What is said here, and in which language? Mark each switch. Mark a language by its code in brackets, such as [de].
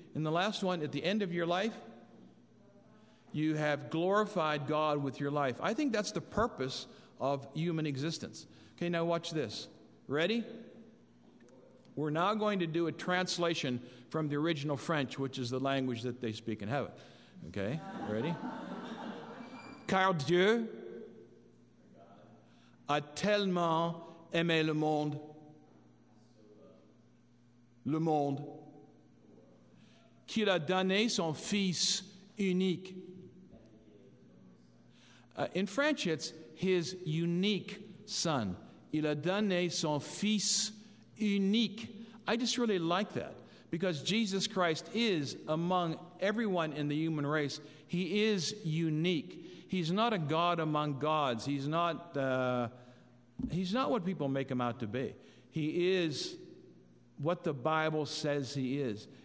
[en] And the last one, at the end of your life, you have glorified God with your life. I think that's the purpose of human existence. Okay, now watch this. Ready? We're now going to do a translation from the original French, which is the language that they speak in heaven. Okay, ready? [fr] Car Dieu a tellement aimé le monde, qu'il a donné son fils unique. [en] In French, it's his unique son. [fr] Il a donné son fils unique. [en] I just really like that because Jesus Christ is among everyone in the human race. He is unique. He's not a god among gods. He's not what people make him out to be. He is what the Bible says he is.